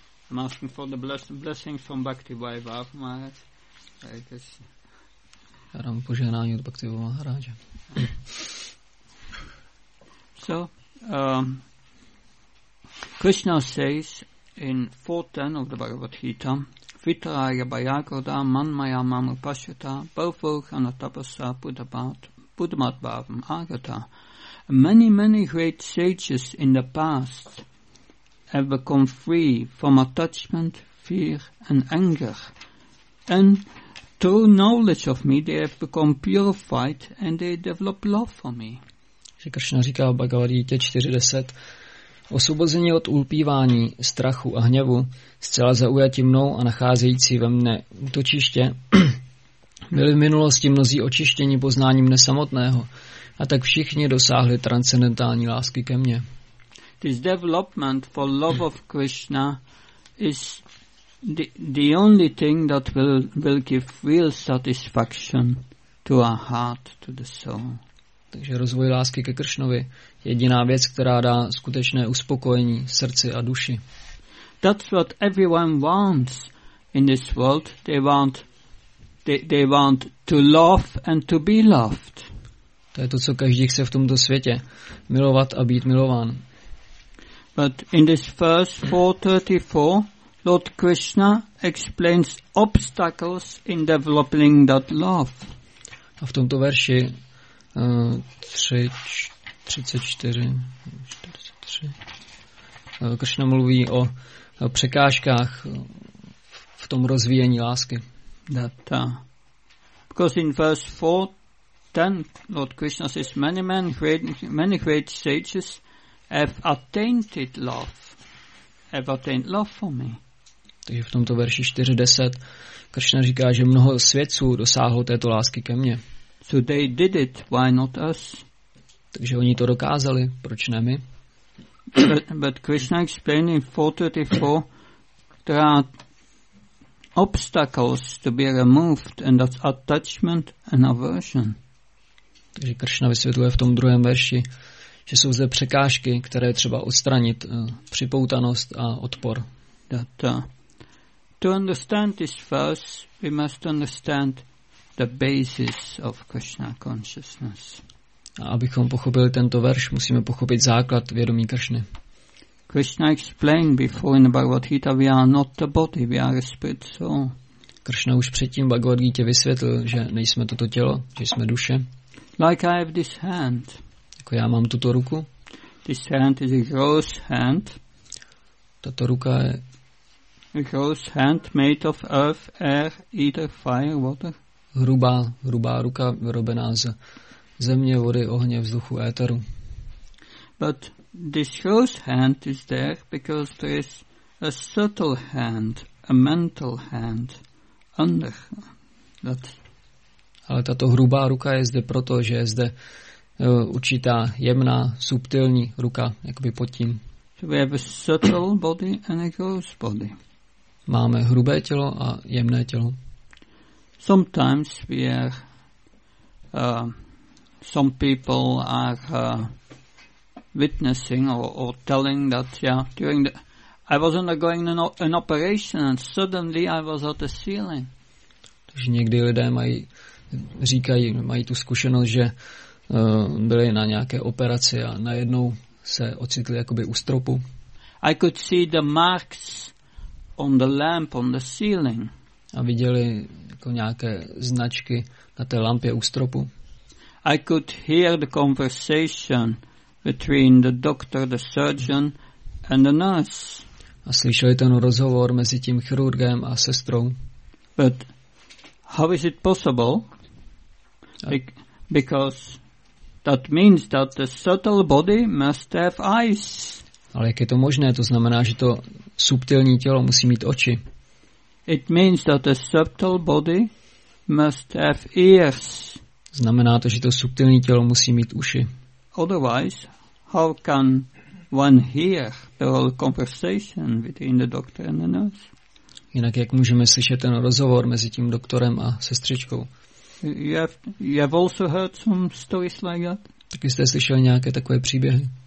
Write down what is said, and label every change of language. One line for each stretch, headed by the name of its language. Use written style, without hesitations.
English: I'm asking for the blessings from Bhakti Vaibhava Maharaj. Hare Krishna.
Czech: Já dám požehnání od Bhakti Maharaja.
English: So, Krishna says in 4:10 of the Bhagavad Gita,
Sanskrit: Vitaraya bhayagoda manmaya mamupasyata bhavokana tapasa buddhamadbhavam agata.
English: Many, many great sages in the past have become free from attachment, fear and anger. And through knowledge of me, they have become purified and they develop love for me.
Czech: Krishna říká v Bhagavad Gita 4:10, osvobození od ulpívání, strachu a hněvu, zcela zaujati mnou a nacházející ve mne útočiště, byli v minulosti mnozí očištění poznáním nesamotného, a tak všichni dosáhli transcendentální lásky ke mně.
English: This development for love of Krishna is the only thing that will give real satisfaction to our heart, to the soul.
Czech: Takže rozvoj lásky ke Kršnovi je jediná věc, která dá skutečné uspokojení srdci a duši.
English: That's what everyone wants in this world. They want to love and to be loved.
Czech: To je to, co každý chce v tomto světě, milovat a být milován.
English: But in this first 4:34, Lord Krishna explains obstacles in developing that love.
Czech: A v tomto verši 3:34 Krishna mluví o překážkách v tom rozvíjení lásky.
English: Because in verse 4:10 Lord Krishna says many great sages have attained love for me.
Czech: Takže v tomto verši 4:10 Krishna říká, že mnoho svědců dosáhlo této lásky ke mně.
English: So they did it, why not us?
Czech: Takže oni to dokázali, proč ne my?
English: But Krishna explained in 4:34 there are obstacles to be removed and that's attachment and aversion.
Czech: Takže Krishna vysvětluje v tom druhém verši, že jsou zde překážky, které třeba odstranit, připoutanost a odpor.
English: To understand this verse, we must understand the basis of Krishna consciousness.
Czech: A abychom pochopili tento verš, musíme pochopit základ vědomí Kršny.
English: Krishna explained before in the Bhagavad Gita, we are not the body, we are a spirit soul.
Czech: Krishna už předtím Bhagavad Gita vysvětlil, že nejsme toto tělo, že jsme duše.
English: Like I have this hand.
Czech: Jako já mám tuto ruku.
English: This hand is a gross hand.
Czech: Tato ruka je
English: a gross hand made of earth, air, ether, fire, water.
Czech: Hrubá ruka vyrobená z země, vody, ohně, vzduchu, éteru.
English: But this gross hand is there because there is a subtle hand, a mental hand under that.
Czech: Ale tato hrubá ruka je zde proto, že je zde určitá jemná, subtilní ruka, jakoby pod tím.
English: So we have a subtle body and a gross body.
Czech: Máme hrubé tělo a jemné tělo.
English: Sometimes we are some people are witnessing or telling that I was undergoing an operation and suddenly I was at the ceiling.
Czech: Takže někdy lidé mají tu zkušenost, že byli na nějaké operaci a najednou se ocitli jakoby u stropu.
English: I could see the marks on the lamp on the ceiling.
Czech: A viděli jako nějaké značky na té lampě u stropu.
English: I could hear the conversation between the doctor, the surgeon and the nurse.
Czech: A slyšeli ten rozhovor mezi tím chirurgem a sestrou.
English: But how is it possible? Because that means that the subtle body must have eyes.
Czech: Ale jak je to možné? To znamená, že to subtilní tělo musí mít oči.
English: It means that the subtle body must have ears.
Czech: Znamená to, že to subtilní tělo musí mít uši.
English: Otherwise, how can one hear the whole conversation between the doctor and the nurse?
Czech: Jinak jak můžeme slyšet ten rozhovor mezi tím doktorem a sestřičkou?
English: You have also heard some stories like that?
Czech: Taky jste slyšeli nějaké takové příběhy?